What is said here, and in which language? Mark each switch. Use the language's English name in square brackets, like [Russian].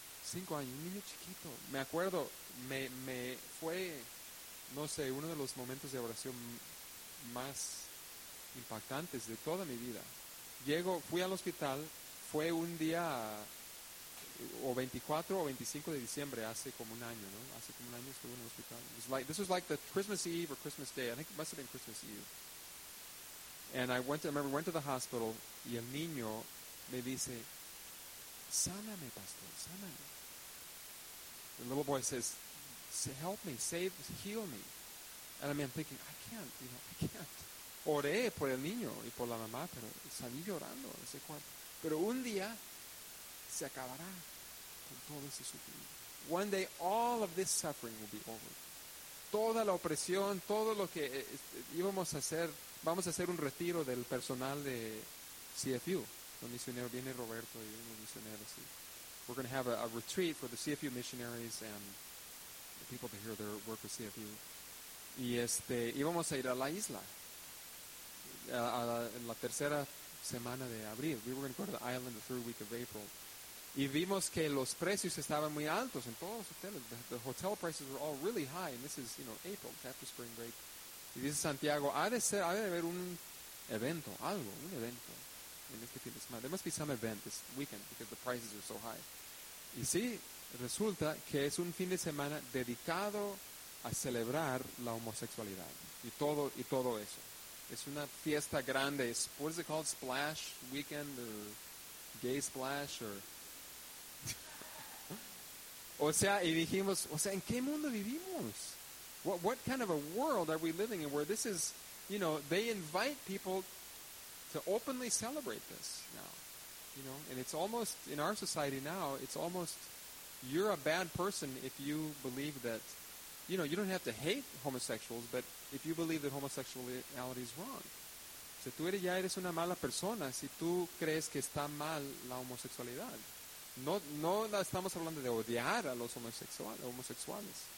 [Spanish] 5 años, un niño chiquito. Me acuerdo, me fue, no sé, uno de los momentos de oración más impactantes de toda mi vida. Fui al hospital, fue un día... o 24 o 25 de diciembre, hace como un año, ¿no? Hace como un año estuve en el hospital. [English] This was like the Christmas Eve or Christmas Day. I think it must have been Christmas Eve. And I remember, went to the hospital, [Spanish] y el niño me dice, sáname, pastor, sáname. [English] The little boy says, help me, save, heal me. And I mean, I'm thinking, I can't. [Spanish] Oré por el niño y por la mamá, pero salí llorando, no sé cuánto. Pero un día... se acabará con todo ese sufrimiento. [English] One day all of this suffering will be over. [Spanish] Toda la opresión, todo lo que íbamos a hacer, vamos a hacer un retiro del personal de CFU. Los misioneros, viene Roberto y los misioneros. [English] We're going to have a retreat for the CFU missionaries and the people that hear their work with CFU. [Spanish] Y íbamos a ir a la isla en la tercera semana de abril. [English] We were going to go to the island the third week of April. [Spanish] Y vimos que los precios estaban muy altos en todos los hoteles. [English] The hotel prices were all really high. And this is, you know, April, after spring break. [Spanish] Y dice Santiago, ha de haber un evento. En este fin de semana. [English] There must be some event this weekend because the prices are so high. [Spanish] Y sí, resulta que es un fin de semana dedicado a celebrar la homosexualidad. Y todo eso. Es una fiesta grande. [English] What is it called? Splash weekend or gay splash or... [Spanish] y dijimos, ¿en qué mundo vivimos? [English] What kind of a world are we living in where this is, you know, they invite people to openly celebrate this now, you know? And it's almost, in our society now, it's almost, you're a bad person if you believe that, you know, you don't have to hate homosexuals, but if you believe that homosexuality is wrong. [Spanish] Si tú eres, ya eres una mala persona, si tú crees que está mal la homosexualidad. No estamos hablando de odiar a los homosexuales.